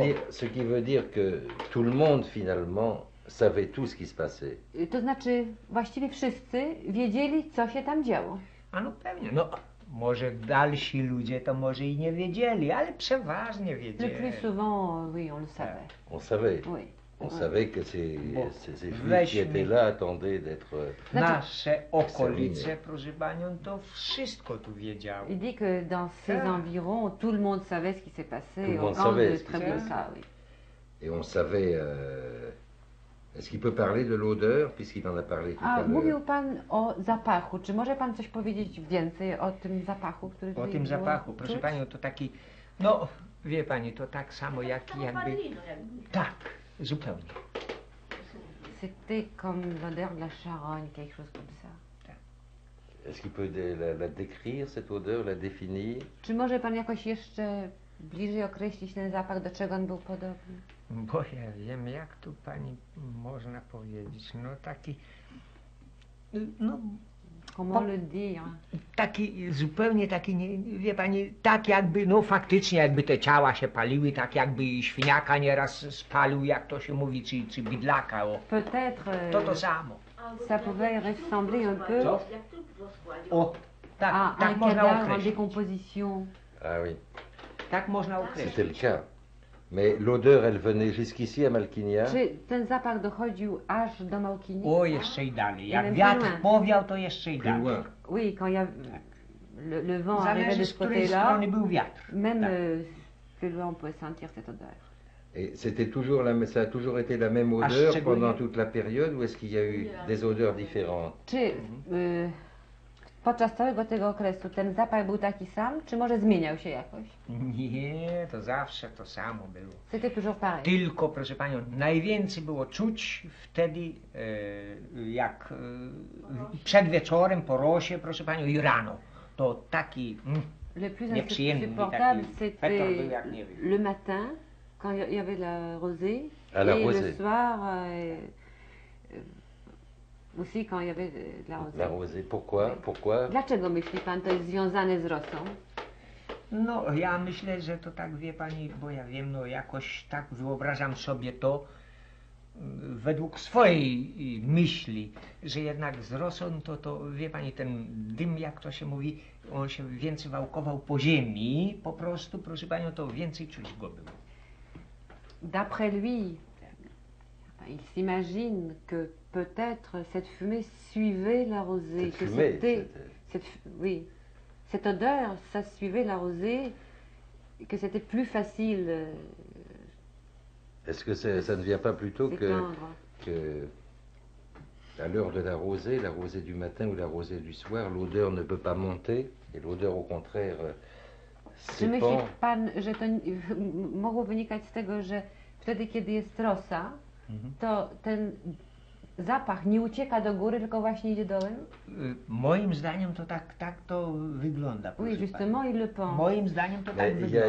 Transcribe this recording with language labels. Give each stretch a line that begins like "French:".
French: Ce qui veut dire que tout le monde, finalement, savaient tout ce qui se passait.
Polish: To znaczy, właściwie wszyscy wiedzieli, co się tam działo. A no pewnie. No, może dalsi ludzie to może i nie wiedzieli, ale przeważnie wiedzieli.
French: Le plus souvent, oui, on le savait. On savait. Oui. On savait que ces flics qui étaient là attendaient d'être...
Polish: Nasze okolice, proszę panią, to wszystko tu wiedziało.
French: Il dit que dans ces environs, tout le monde savait ce qui s'est passé. Tout le monde savait ce qui s'est passé. Et on savait... Est-ce qu'il peut parler de l'odeur, puisqu'il en a parlé tout à l'heure?
Polish: Mówił pan o zapachu. Czy może pan coś powiedzieć więcej o tym zapachu, który... O tym zapachu, proszę panią, to taki... No, wie pani, to tak samo jak... jakby. Tak.
French: C'était comme l'odeur de la charogne, quelque chose comme ça. Est-ce qu'il peut la décrire, cette odeur, la définir?
Polish: Czy może pan jakoś jeszcze bliżej określić ten zapach, do czego on był podobny? Bo ja wiem, jak tu pani można powiedzieć, no taki... No...
French: Comment le dire?
Polish: Taki, zupełnie taki, nie, wie pani, tak jakby, no faktycznie, jakby te ciała się paliły, tak jakby świniaka nieraz spalił, jak to się mówi, czy bidlaka, o.
French: Peut-être,
Polish: to samo.
French: Ça pouvait ressembler un peu.
Polish: Co? O, tak,
French: à,
Polish: tak
French: un
Polish: można
French: cadavre
Polish: określić.
French: En décomposition. Ah oui.
Polish: Tak można określić.
French: C'était le cas. Mais l'odeur, elle venait jusqu'ici à Malkinia.
Polish: Czy ten zapach dochodził aż do Malkinia? O, jeszcze i dalej. Jak wiatr powiał, to jeszcze i dalej.
French: Oui, quand ja... le vent arrivait de ce côté-là.
Polish: Z strony był wiatr.
French: Même plus loin, on pouvait sentir cette odeur. Et c'était toujours la, ça a toujours été la même odeur pendant toute la période, ou est-ce qu'il y a eu des odeurs différentes?
Polish: Czy podczas całego tego okresu ten zapach był taki sam, czy może zmieniał się jakoś? Nie, to zawsze to samo było.
French: C'était toujours pareil.
Polish: Tylko, proszę panią, najwięcej było czuć wtedy, jak przed wieczorem, po rosie, proszę panią, i rano. To taki nieprzyjemny, taki petard był, jak nie wiem.
French: Le matin, quand il y avait la rosée, et le soir... Aussi, quand il y avait la rosée. La rosée, pourquoi? Pourquoi?
Polish: Dlaczego myśli pan, to jest związane z rosą? No, ja myślę, że to tak, wie pani, bo ja wiem, no jakoś tak wyobrażam sobie to według swojej myśli, że jednak z rosą to wie pani, ten dym, jak to się mówi, on się więcej wałkował po ziemi, po prostu, proszę panią, to więcej czuć go było.
French: D'après lui, il s'imagine que peut-être cette fumée suivait la rosée. Cette fumée, c'était... Oui. Cette odeur, ça suivait la rosée, que c'était plus facile. Est-ce que ça ne vient pas plutôt que à l'heure de la rosée du matin ou la rosée du soir, l'odeur ne peut pas monter, et l'odeur au contraire s'épand.
Polish: Czy myśli pan, że to mogło wynikać z tego, że wtedy, kiedy jest rosa, to ten zapach nie ucieka do góry, tylko właśnie idzie dolem? Moim zdaniem to tak to wygląda.
French: Oui, justement, il le pense.
Polish: Moim zdaniem to tak wygląda.